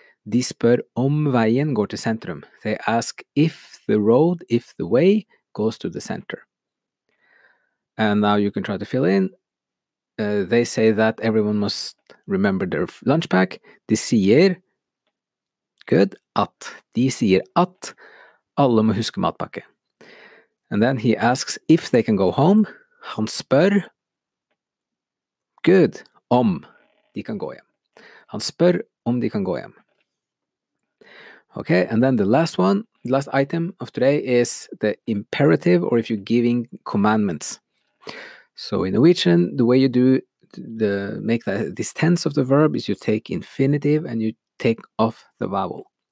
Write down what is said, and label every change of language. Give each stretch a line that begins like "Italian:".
Norwegian: De spør om veien går til sentrum.
English: They ask if the way goes to the center. And now you can try to fill in. They say that everyone must remember their lunch pack.
Norwegian: De sier, good, at. De sier at alle må huske matpakke.
English: And then he asks if they can go home.
Norwegian: Han spør, good, om de kan gå hjem. Han spør om de kan gå hjem.
English: Okay, and then the last one, the last item of today is the imperative, or if you're giving commandments. So in Norwegian, the way you do the make that this tense of the verb is you take infinitive and you take off the vowel.